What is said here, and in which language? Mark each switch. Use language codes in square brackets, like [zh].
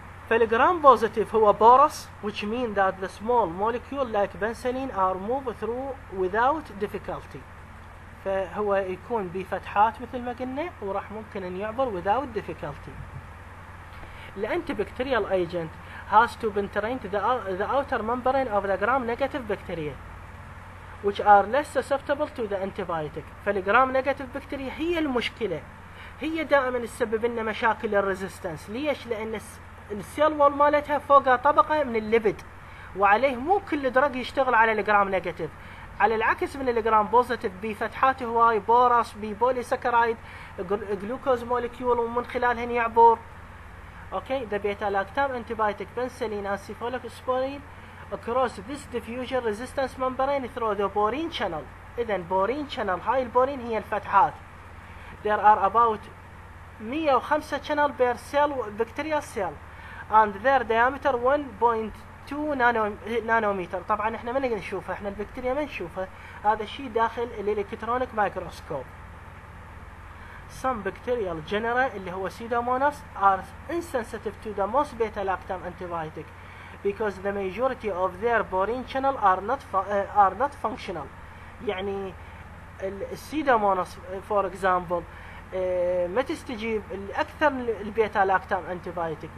[en] فالجرام بوزيتيف هو pores which mean that the small molecule like penicillin are moved through without difficulty. [ar] فهو يكون بفتحات مثل ما قلنا وراح ممكن ان يعبر [en] without difficulty. الانتيبكتيريال agent has to penetrate the outer membrane of the gram negative bacteria which are less susceptible to the antibiotic. [ar] فالجرام نيجاتيف بكتيريا هي المشكله، هي دائما تسبب لنا مشاكل الريزيستنس. ليش؟ لان السيل وول مالتها فوقها طبقه من الليبيد، وعليه مو كل درج يشتغل على الجرام نيجاتيف. على العكس من الجرام بوزيتيف بفتحات هواي بورس ببولي سكرايد جلوكوز مولكيول ومن خلالها يعبر. [en] Okay, the beta-lactam antibiotic penicillin and cephalosporin across this diffusion resistance membrane through the borine channel. [ar] إذن borine channel، هاي البورين هي الفتحات. [en] There are about 105 channel per cell bacterial cell and their diameter 1.2 nanometer. [ar] طبعا احنا ما نشوفها، احنا البكتيريا ما نشوفها، هذا الشيء داخل الالكترونيك مايكروسكوب. [en] Some bacterial genera [ar] اللي هو [en] Pseudomonas are insensitive to the most beta-lactam antibiotic because the majority of their borine channel are not functional. [ar] يعني Pseudomonas [en] for example [ar] ما تستجيب الأكثر البيتا-لاكتام antibiotic.